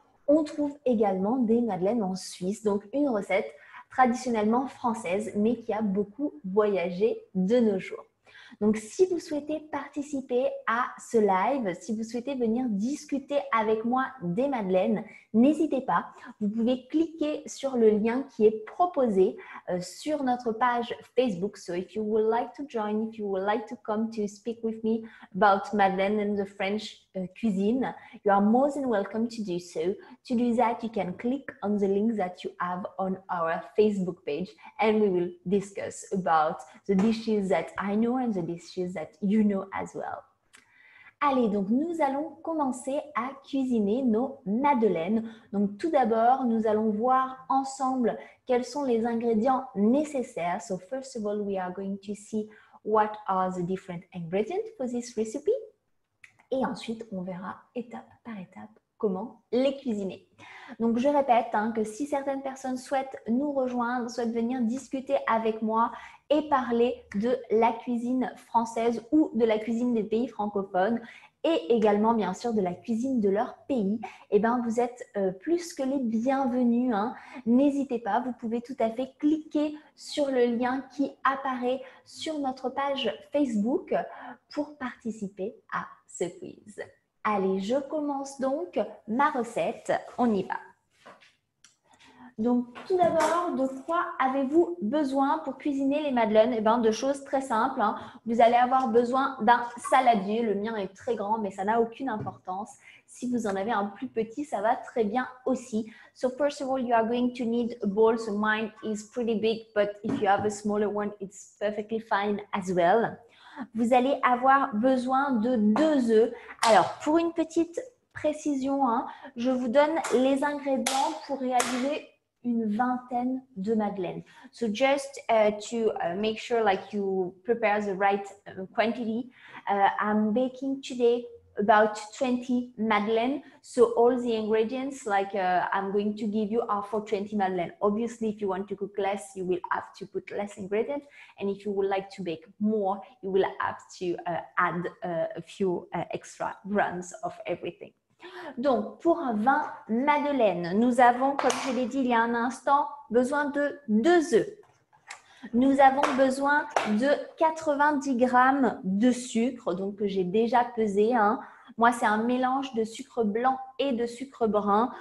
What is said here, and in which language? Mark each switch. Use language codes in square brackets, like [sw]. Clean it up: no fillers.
[fr] On trouve également des madeleines en Suisse, donc une recette traditionnellement française, mais qui a beaucoup voyagé de nos jours. Donc, si vous souhaitez participer à ce live, si vous souhaitez venir discuter avec moi des madeleines, n'hésitez pas. Vous pouvez cliquer sur le lien qui est proposé sur notre page Facebook. [en] So, if you would like to join, if you would like to come to speak with me about madeleine and the French cuisine, you are more than welcome to do so. To do that, you can click on the link that you have on our Facebook page and we will discuss about the dishes that I know and the dishes that you know as well. [fr] Allez, donc nous allons commencer à cuisiner nos madeleines. Donc tout d'abord, nous allons voir ensemble quels sont les ingrédients nécessaires. [en] So first of all, we are going to see what are the different ingredients for this recipe. [fr] Et ensuite, on verra étape par étape comment les cuisiner. Donc je répète, hein, que si certaines personnes souhaitent nous rejoindre, souhaitent venir discuter avec moi et parler de la cuisine française ou de la cuisine des pays francophones et également bien sûr de la cuisine de leur pays, et ben vous êtes plus que les bienvenus, hein. N'hésitez pas, vous pouvez tout à fait cliquer sur le lien qui apparaît sur notre page Facebook pour participer à ce quiz. Allez, je commence donc ma recette. On y va. Donc, tout d'abord, de quoi avez-vous besoin pour cuisiner les madeleines? Eh bien, de choses très simples, hein. Vous allez avoir besoin d'un saladier. Le mien est très grand, mais ça n'a aucune importance. Si vous en avez un plus petit, ça va très bien aussi. [en] So, first of all, you are going to need a bowl. So, mine is pretty big, but if you have a smaller one, it's perfectly fine as well. [fr] Vous allez avoir besoin de 2 œufs. Alors, pour une petite précision, hein, je vous donne les ingrédients pour réaliser une vingtaine de madeleines. [en] So, just to make sure like you prepare the right quantity, I'm baking today about 20 madeleines. So, all the ingredients like I'm going to give you are for 20 madeleines. Obviously, if you want to cook less, you will have to put less ingredients. And if you would like to bake more, you will have to add a few extra grams of everything. [fr] Donc, pour 20 madeleines, nous avons, comme je l'ai dit il y a un instant, besoin de 2 œufs. Nous avons besoin de 90 g de sucre, donc que j'ai déjà pesé, hein. Moi, c'est un mélange de sucre blanc et de sucre brun.